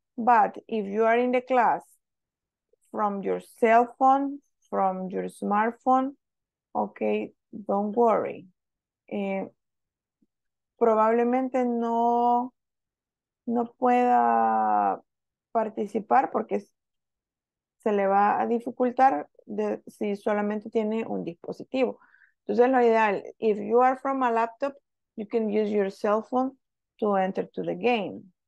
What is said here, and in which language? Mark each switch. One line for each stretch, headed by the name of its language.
English: But if you are in the class from your cell phone, from your smartphone, okay, don't worry.
Spanish: Probablemente no pueda participar porque se le va a dificultar si solamente tiene un dispositivo. Entonces, lo ideal,
English: if you are from a laptop, you can use your cell phone to enter to the game.